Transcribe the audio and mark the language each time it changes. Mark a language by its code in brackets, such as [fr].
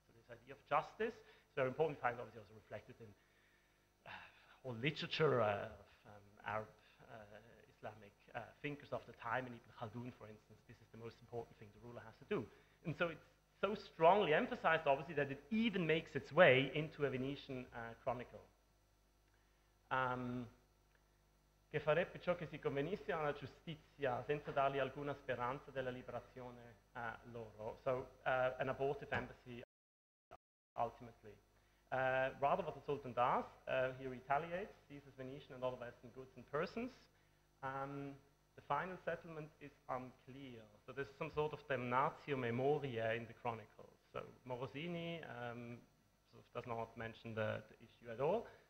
[en] So this idea of justice is very important. We find obviously also reflected in all literature of Arab Islamic thinkers of the time, and Ibn Khaldun, for instance. This is the most important thing the ruler has to do. And so it's so strongly emphasized, obviously, that it even makes its way into a Venetian chronicle. [it] Che farebbe ciò che si convenisse alla giustizia senza dargli alcuna speranza della liberazione loro. [en] So an abortive embassy, ultimately. Rather what the Sultan does, he retaliates, seizes Venetian and other Western goods and persons. The final settlement is unclear. So there's some sort of damnatio memoriae in the chronicles. So Morosini sort of does not mention the issue at all.